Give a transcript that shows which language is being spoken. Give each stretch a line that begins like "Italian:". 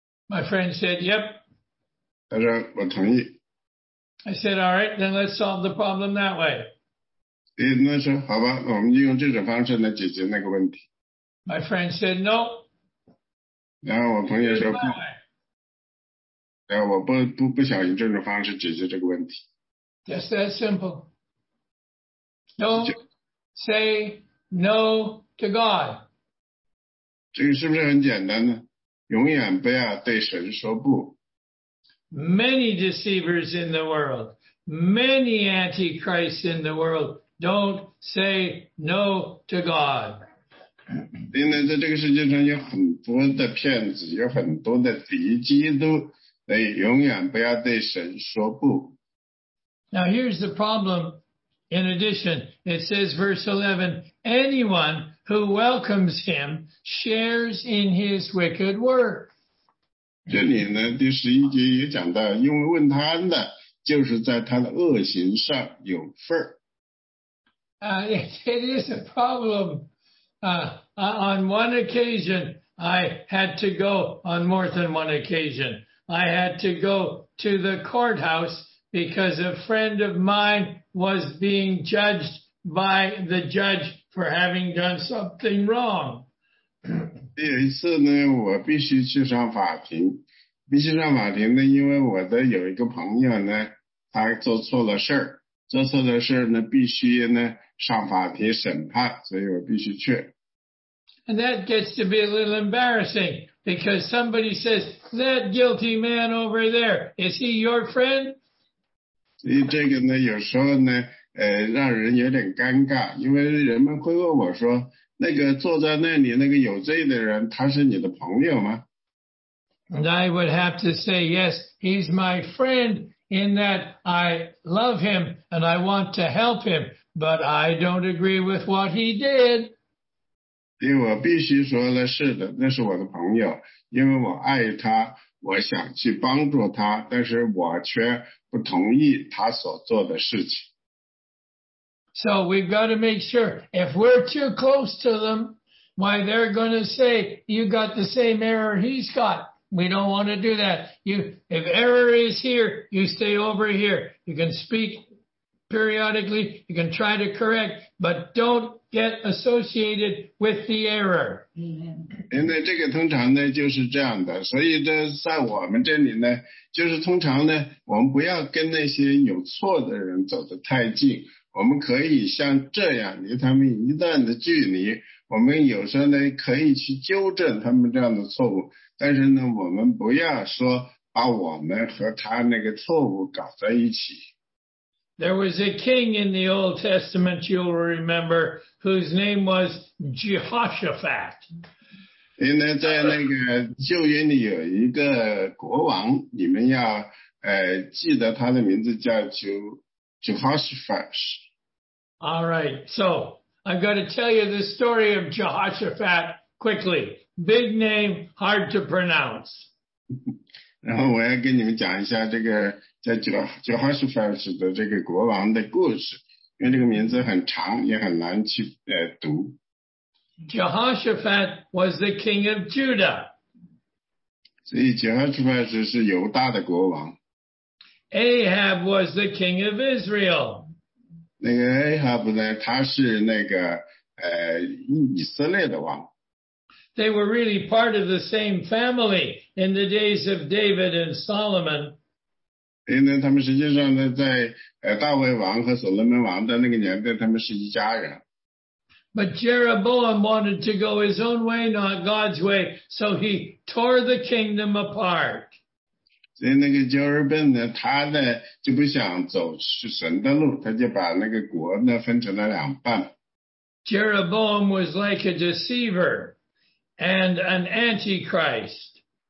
English: My friend said, yep.
Chinese: 他说，我同意。
English: I said, all right, then let's solve the problem that way.
Chinese: 那说好吧，我们就用这种方式来解决那个问题。
English: My friend said, no.
Chinese: 然后我朋友说不。然后我不想用这种方式解决这个问题。
English: Just that simple. Don't say no to God.
Chinese: 这个是不是很简单呢？永远不要对神说不。
English: Many deceivers in the world, many antichrists in the world, don't say no to God.
Chinese: 另外，在这个世界上有很多的骗子，有很多的敌基督，所以永远不要对神说不。
English: Now here's the problem. In addition, it says verse 11, anyone who welcomes him shares in his wicked work.
Chinese: 这里呢，第十一节也讲到，因为问他的，就是在他的恶行上有份儿。
English: It is a problem. On one occasion, I had to go, on more than one occasion, I had to go to the courthouse because a friend of mine was being judged by the judge for having done something wrong.
Chinese: 有一次呢，我必须去上法庭，必须上法庭呢，因为我的有一个朋友呢，他做错了事儿，做错了事儿呢，必须呢上法庭审判，所以我必须去。
English: And that gets to be a little embarrassing because somebody says that guilty man over there, is he your friend?
Chinese: 所以这个呢，有时候呢，让人有点尴尬，因为人们会问我说。那个坐在那里那个有罪的人他是你的朋友吗
English: And I would have to say yes, he's my friend in that I love him and I want to help him, but I don't agree with what he did.
Chinese: 因为我必须说了是的那是我的朋友因为我爱他我想去帮助他但是我却不同意他所做的事情。
English: So we've got to make sure if we're too close to them, why they're going to say, you got the same error he's got. We don't want to do that. If error is here, you stay over here. You can speak periodically. You can try to correct, but don't get associated with the error.
Chinese: 因为这个通常呢就是这样的。所以呢在我们这里呢就是通常呢我们不要跟那些有错的人走得太近。我们可以像这样离他们一段的距离我们有时候呢可以去纠正他们这样的错误但是呢我们不要说把我们和他那个错误搞在一起。
English: There was a king in the Old Testament, you'll remember, whose name was Jehoshaphat.
Chinese: 因为在那个旧约里有一个国王你们要记得他的名字叫Jehoshaphat.
English: All right, so I've got to tell you the story of Jehoshaphat quickly. Big name, hard to pronounce.
Chinese: 然后我要跟你们讲一下这个叫 Jehoshaphat 的这个国王的故事，因为这个名字很长，也很难去读。
English: Jehoshaphat was the king of Judah.
Chinese: 所以 Jehoshaphat 是犹大的国王。
English: Ahab was the king of Israel.
Chinese: 那个 Ahab 呢他是那个以色列的王。
English: They were really part of the same family in the days of David and Solomon.
Chinese: 因为他们实际上呢在大卫王和所罗门王的那个年代他们是一家人。
English: But Jeroboam wanted to go his own way, not God's way, so he tore the kingdom apart.
Chinese: 所以那个 Jeroboam 呢他呢就不想走神的路他就把那个国呢分成了两半。
English: Jeroboam was like a deceiver and an antichrist.